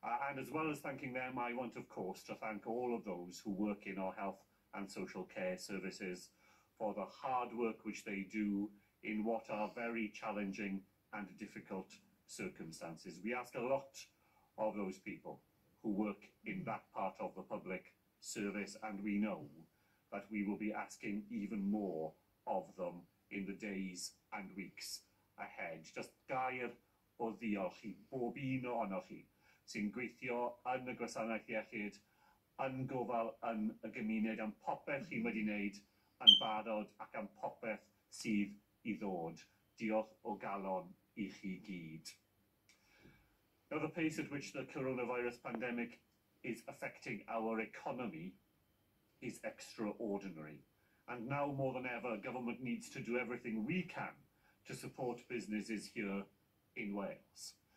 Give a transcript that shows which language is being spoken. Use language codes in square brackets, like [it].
[en] And as well as thanking them, I want, of course, to thank all of those who work in our health and social care services for the hard work which they do in what are very challenging and difficult circumstances. We ask a lot of those people who work in that part of the public service, and we know that we will be asking even more of them in the days and weeks ahead. [cy] Just gair o ddiolch I bob un ohonoch chi sy'n gweithio yn y gwasanaeth iechyd, yn gofal yn y gymuned, am popeth chi wedi wneud yn barod ac am popeth sydd I ddod. Diolch o galon I chi gyd. [en] Now, the pace at which the coronavirus pandemic is affecting our economy is extraordinary. And now more than ever, government needs to do everything we can to support businesses here in Wales.